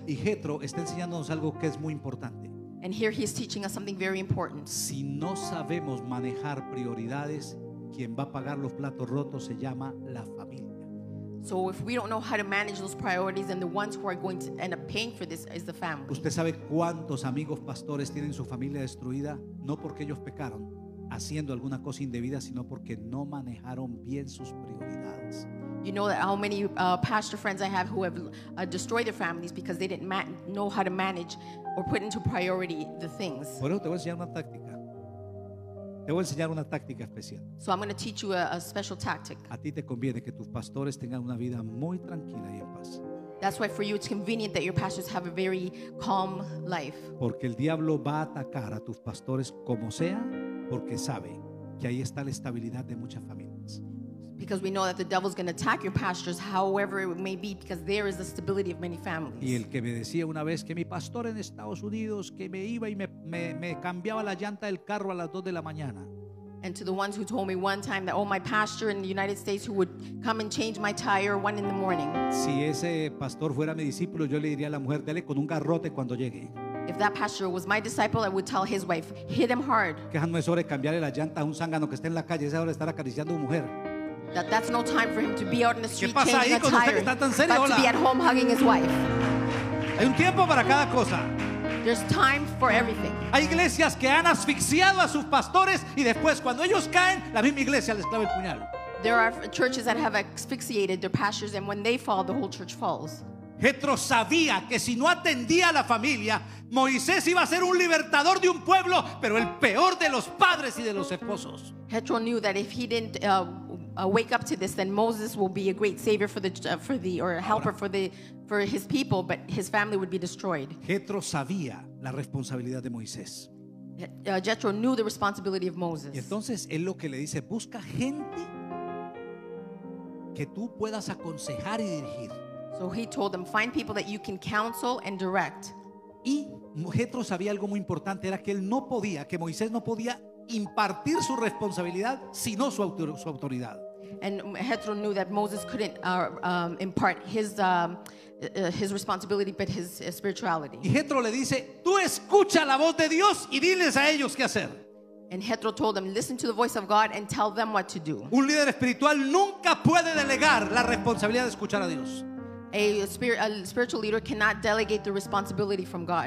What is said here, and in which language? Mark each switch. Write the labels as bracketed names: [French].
[Spanish] Y Jethro está enseñándonos algo que es muy importante. [English] And here he is teaching us something very important. [Spanish] Si no sabemos manejar prioridades, quien va a pagar los platos rotos se llama la familia. [English] So if we don't know how to manage those priorities, then the ones who are going to end up paying for this is the family. [Spanish] ¿Usted sabe cuántos amigos pastores tienen su familia destruida no porque ellos pecaron haciendo alguna cosa indebida, sino porque no manejaron bien sus prioridades? [English] You know that how many pastor friends I have who have destroyed their families because they didn't know how to manage or put into priority the things. [Spanish] Por eso te voy a enseñar una táctica. Te voy a enseñar una táctica especial. [English] So I'm going to teach you a special tactic. [Spanish] A ti te conviene que tus pastores tengan una vida muy tranquila y en paz. [English] That's why for you it's convenient that your pastors have a very calm life. [Spanish] Porque el diablo va a atacar a tus pastores como sea, porque sabe que ahí está la estabilidad de muchas familias. [English] Because we know that the devil is going to attack your pastors however it may be, because there is the stability of many families. [Spanish] Y el que me decía una vez que mi pastor en Estados Unidos que me iba y me cambiaba la llanta del carro a las 2 de la mañana. [English] And to the ones who told me one time that, oh, my pastor in the United States who would come and change my tire 1 in the morning. [Spanish] Si ese pastor fuera mi discípulo, yo le diría a la mujer, dele con un garrote cuando llegue. [English] If that pastor was my disciple, I would tell his wife, hit him hard. [Spanish] Que no es hora de cambiarle la llanta a un zángano que está en la calle, es hora de estar acariciando a una mujer. [English] That's no time for him to be out in the street changing a tire. [Spanish] ¿Qué pasa ahí con usted que está tan serio? [English] But to be at home hugging his wife. [Spanish] Hay un tiempo para cada cosa. [English] There's time for everything. [Spanish] Hay iglesias que han asfixiado a sus pastores y después cuando ellos caen, la misma iglesia les clava el puñal. [English] There are churches that have asphyxiated their pastors and when they fall, the whole church falls. [Spanish] Jethro sabía que si no atendía a la familia, Moisés iba a ser un libertador de un pueblo, pero el peor de los padres y de los esposos. [English] Jethro knew that if he didn't wake up to this, then Moses will be a great savior for his people, but his family would be destroyed. [Spanish] Jethro sabía la responsabilidad de Moisés. [English] Jethro knew the responsibility of Moses. [Spanish] Y entonces él lo que le dice, busca gente que tú puedas aconsejar y dirigir. [English] So he told them, find people that you can counsel and direct. [Spanish] Y Jethro sabía algo muy importante, era que él no podía, que Moisés no podía impartir su responsabilidad, sino su autoridad. [English] And Jethro knew that Moses couldn't impart his responsibility, but his spirituality. [Spanish] Y Jethro le dice, tú escucha la voz de Dios y diles a ellos qué hacer. [English] And Jethro told them, listen to the voice of God and tell them what to do. [Spanish] Un líder espiritual nunca puede delegar la responsabilidad de escuchar a Dios. [English] A spiritual leader cannot delegate the responsibility from God.